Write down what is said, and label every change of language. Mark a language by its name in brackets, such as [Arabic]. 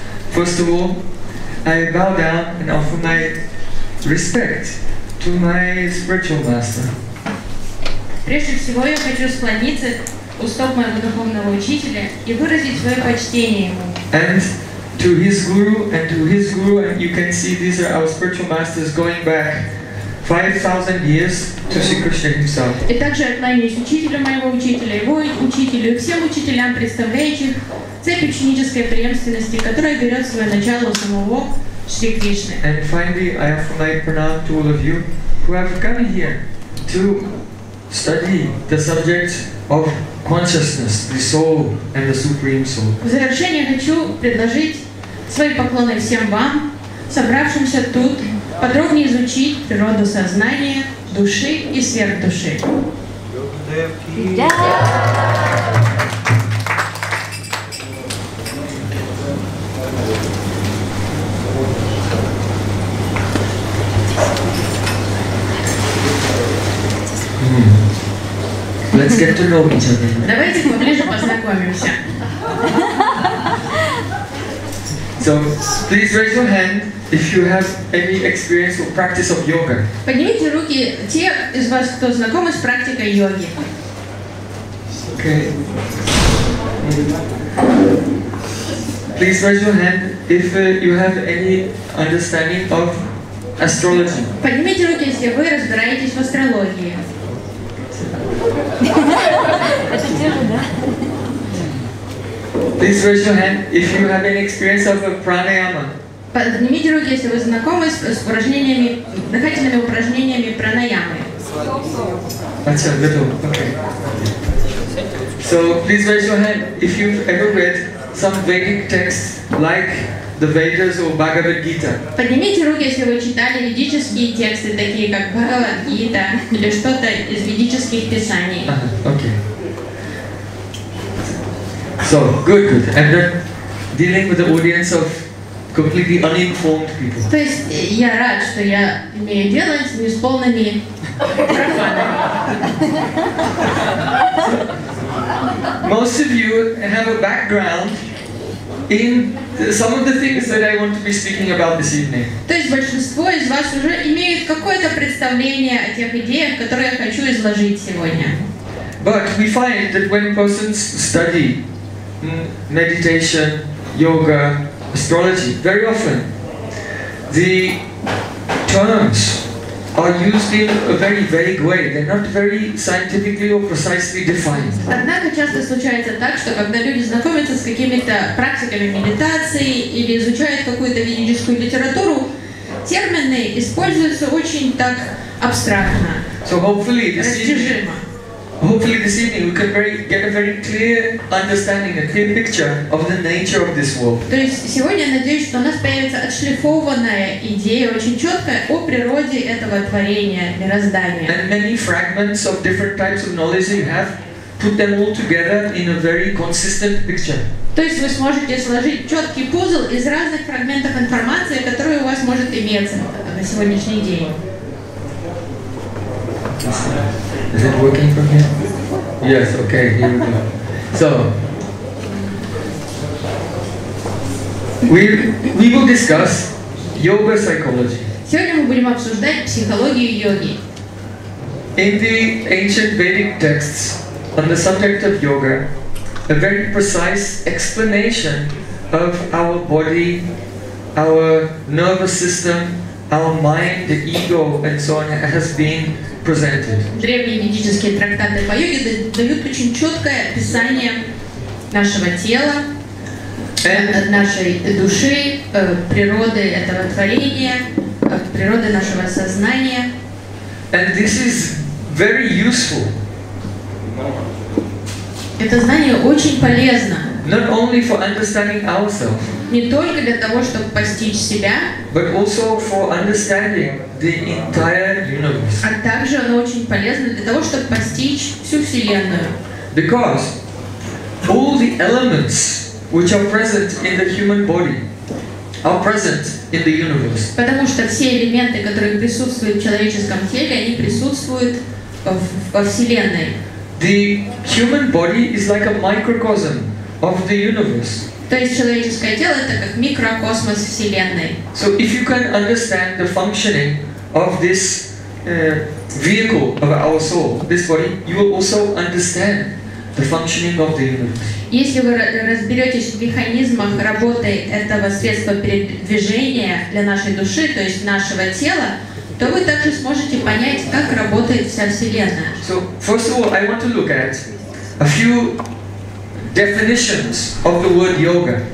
[English] First of all, I bow down and offer my respect to my spiritual master. [Russian] Прежде всего, я хочу склониться у стоп моего духовного учителя и выразить свое почтение ему. [English] And to his guru, and to his guru, and you can see these are our spiritual masters going back 5,000 years to Sri Krishna himself. [Russian] И также отклоняюсь учителю моего учителя, его учителю, всем учителям, представляющих цепь ученической преемственности, которая берет свое начало у самого Шри Кришны. [English] And finally, I offer my pranam to all of you who have come here to study the subject of consciousness, the soul and the supreme soul. [Russian] В завершение хочу предложить свои поклоны всем вам, собравшимся тут, подробнее изучить природу сознания, души и сверхдуши. [English] Let's get to know each other. [Russian] Давайте поближе познакомимся. [English] So, please raise your hand if you have any experience or practice of yoga. [Russian] Поднимите руки те из вас, кто знакомы с практикой йоги. [English] Okay. Please raise your hand if you have any understanding of astrology. [Russian] Поднимите руки, если вы разбираетесь в астрологии. [English] Please raise your hand if you have any experience of a pranayama. [Russian] Поднимите руки, если вы знакомы с упражнениями, дыхательными упражнениями пранаямы. [English] Acha, little. Okay. So please raise your hand if you've ever read some Vedic texts like the Vedas or Bhagavad Gita. [Russian] Поднимите руки, если вы читали ведические тексты, такие как Бхагавад Гита или что-то из ведических писаний. [English] Okay. So, good. And then dealing with the audience of completely uninformed people. [Russian] То есть я рад, что я имею дело с неисполненными профанами. [English] Most of you have a background in some of the things that I want to be speaking about this evening. [Russian] То есть большинство из вас уже имеют какое-то представление о тех идеях, которые я хочу изложить сегодня. [English] But we find that when persons study meditation, yoga, astrology, very often the terms are used in a very vague way. They're not very scientifically or precisely defined. [Russian] Однако часто случается так, что когда люди знакомятся с какими-то практиками медитации или изучают какую-то ведическую литературу, термины используются очень так абстрактно. [English] So hopefully this is this evening we can get a very clear understanding, a clear picture of the nature of this world. [Russian] То есть сегодня надеюсь, что у нас появится отшлифованная идея, очень четкая о природе этого творения, мироздания. [English] And many fragments of different types of knowledge you have, put them all together in a very consistent picture. [Russian] То есть вы сможете сложить четкий пузл из разных фрагментов информации, которая у вас может иметься на сегодняшний день. [English] Is it working for me? Yes, okay, here we go. So, we will discuss yoga psychology. [Russian] Сегодня мы будем обсуждать психологию йоги. [English] In the ancient Vedic texts on the subject of yoga, a very precise explanation of our body, our nervous system, our mind, the ego, and so on has been presented. [Russian] Древние ведические трактаты по йоге дают очень четкое описание нашего тела, нашей души, природы этого творения, природы нашего сознания. [English] And this is very useful. [Russian] Это знание очень полезно. [English] Not only for understanding ourselves. [Russian] Не только для того, чтобы постичь себя. [English] But also for understanding the entire universe. [Russian] А также оно очень полезно для того, чтобы постичь всю вселенную. [English] Because all the elements which are present in the human body are present in the universe. [Russian] Потому что все элементы, которые присутствуют в человеческом теле, они присутствуют во вселенной. [English] The human body is like a microcosm of the universe. [Russian] То есть человеческое тело это как микрокосмос вселенной. [English] So if you can understand the functioning of this vehicle of our soul, this body, you will also understand the functioning of the universe. [Russian] Если вы разберетесь в механизмах работы этого средства передвижения для нашей души, то есть нашего тела, то вы также сможете понять, как работает вся вселенная. [English] So first of all, I want to look at a few definitions of the word yoga.